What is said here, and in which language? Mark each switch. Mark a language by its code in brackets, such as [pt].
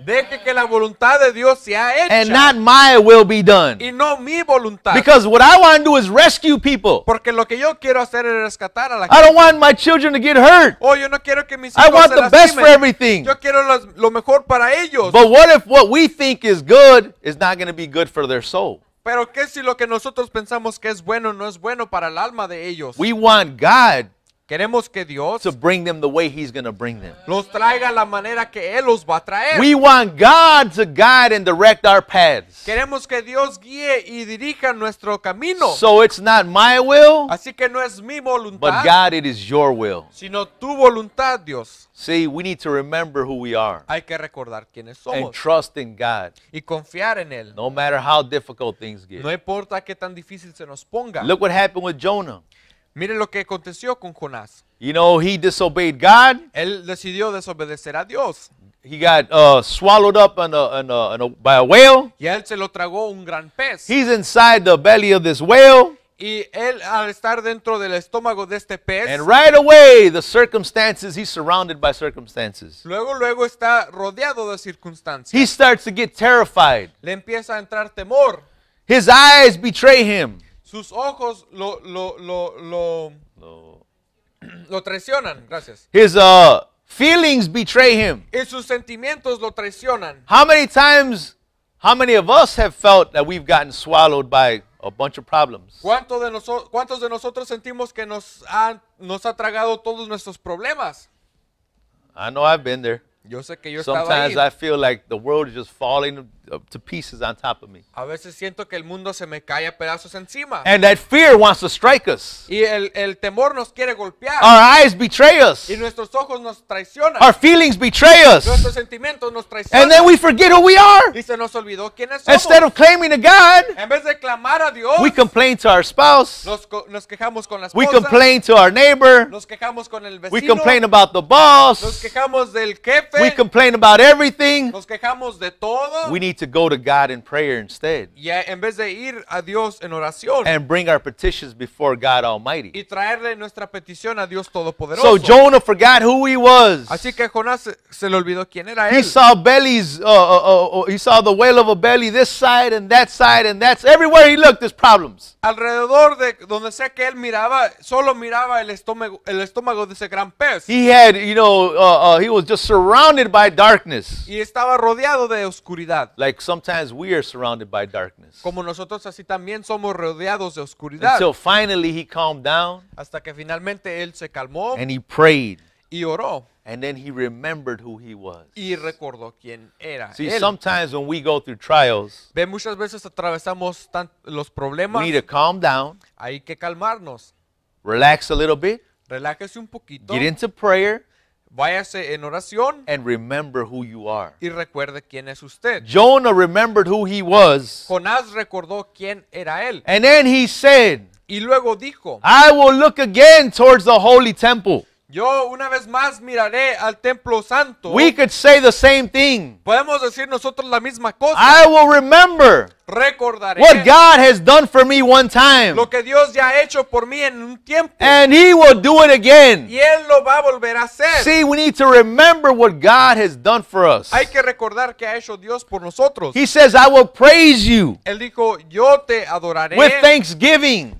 [es] Deje que la voluntad de Dios sea hecha. [en] And not my will be done. [es] Y no mi voluntad. [en] Because what I want to do is rescue people. [es] Porque lo que yo quiero hacer es rescatar a la gente. [en] I don't want my children to get hurt. [es] Oh, yo no quiero que mis hijos [en] I want [es] se [en] the [es] lastimen. [en] Best for everything. [es] Yo quiero lo mejor para ellos. [en] But what if what we think is good is not going to be good for their soul? [es] Pero qué si lo que nosotros pensamos que es bueno no es bueno para el alma de ellos. [en] We want God [es] Queremos que Dios [en] to bring them the way he's going to bring them. [es] Los traiga la manera que él los va a traer. [en] We want God to guide and direct our paths. [es] Queremos que Dios guíe y dirija nuestro camino. [en] So it's not my will. [es] Así que no es mi voluntad. [en] But God, it is your will. [es] Sino tu voluntad, Dios. [en] See, we need to remember who we are. [es] Hay que recordar quiénes somos. [en] And trust in God. [es] Y confiar en él. [en] No matter how difficult things get. [es] No importa qué tan difícil se nos ponga. [en] Look what happened with Jonah. [es] Mire lo que aconteció con Jonás. [en] You know, he disobeyed God. [es] Él decidió desobedecer a Dios. [en] He got swallowed up by a whale. [es] Y él se lo tragó un gran pez. [en] He's inside the belly of this whale. [es] Y él al estar dentro del estómago de este pez. [en] And right away, the circumstances, he's surrounded by circumstances. [es] Luego está rodeado de circunstancias. [en] He starts to get terrified. [es] Le empieza a entrar temor. [en] His eyes betray him. [es] Sus ojos lo traicionan, gracias. [en] His feelings betray him. [es] Y sus sentimientos lo traicionan. [en] How many of us have felt that we've gotten swallowed by a bunch of problems? [es] ¿Cuántos de nosotros sentimos que nos ha tragado todos nuestros problemas? [en] I know I've been there. [es] Yo sé que yo [en] sometimes [es] estaba ahí. [en] I feel like the world is just falling to pieces on top of me. [es] A veces siento que el mundo se me cae a pedazos encima. [en] And that fear wants to strike us. [es] Y el temor nos quiere golpear. [en] Our eyes betray us. [es] Y nuestros ojos nos traicionan. [en] Our feelings betray us. [es] Nuestros sentimientos nos traicionan. [en] And then we forget who we are. [es] Y se nos olvidó quiénes somos. [en] Instead of claiming to God, [es] en vez de clamar a Dios, [en] we complain to our spouse. [es] Nos quejamos con la esposa. [en] We complain to our neighbor. [es] Nos quejamos con el vecino. [en] We complain about the boss. [es] Nos quejamos del jefe. [en] We complain about everything. [es] Nos quejamos de todo. [en] We need to go to God in prayer instead. [es] Yeah, en vez de ir a Dios en oración. [en] And bring our petitions before God Almighty. [es] Y traerle nuestra petición a Dios Todopoderoso. [en] So Jonah forgot who he was. [es] Así que Jonás se le olvidó quién era él. [en] He saw bellies. He saw the whale of a belly this side and that side and that's everywhere he looked. There's problems. [es] Alrededor de donde sea que él miraba, solo miraba el estómago de ese gran pez. [en] He had, you know, he was just surrounded. Surrounded by darkness. [es] Y estaba rodeado de oscuridad. [en] Like sometimes we are surrounded by darkness. [es] Como nosotros así también somos rodeados de oscuridad. [en] Until finally he calmed down. [es] Hasta que finalmente él se calmó. [en] And he prayed. [es] Y oró. [en] And then he remembered who he was. [es] Y recordó quién era. [en] See, [es] él. [en] Sometimes when we go through trials. [es] Ve muchas veces atravesamos los problemas. [en] We need to calm down. [es] Hay que calmarnos. [en] Relax a little bit. [es] Relájese un poquito. [en] Get into prayer. [es] Váyase en oración. [en] And remember who you are. [es] Y recuerde quién es usted. [en] Jonah remembered who he was. [es] Jonás recordó quién era él. [en] And then he said. [es] Y luego dijo. [en] I will look again towards the holy temple. [es] Yo una vez más miraré al templo santo. [en] We could say the same thing. [es] Podemos decir nosotros la misma cosa. [en] I will remember. [es] Recordaré. [en] What God has done for me one time. [es] Lo que Dios ya ha hecho por mí en un tiempo. [en] And he will do it again. [es] Y él lo va a volver a hacer. [en] See, we need to remember what God has done for us. [es] Hay que recordar que ha hecho Dios por nosotros. [en] He says, I will praise you. [es] Él dijo, yo te adoraré. [en] With thanksgiving.